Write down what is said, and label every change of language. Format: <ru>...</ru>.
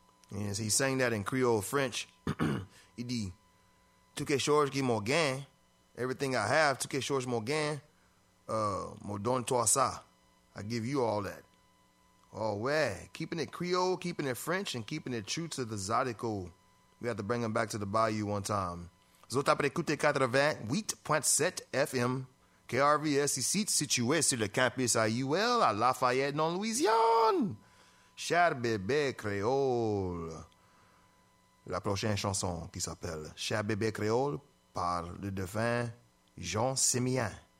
<en>And so he sang that in Creole French.</en> <fr>Il dit, tout que chose qui m'a gagné,</fr> <en>everything I have,</en> <fr>tout que chose m'a gagné, me donne toi ça.</fr> <en>I give you all that.</en> <fr>Oh ouais,</fr> <en>keeping it Creole, keeping it French, and keeping it true to the Zydeco. We have to bring him back to the Bayou one time.</en> <fr>Vous avez écouté 88.7 FM. KRVS ici, situé sur le campus IUL à Lafayette, en Louisiane. Cher bébé créole. La prochaine chanson qui s'appelle Cher bébé créole par le défunt Jean Simien.</fr>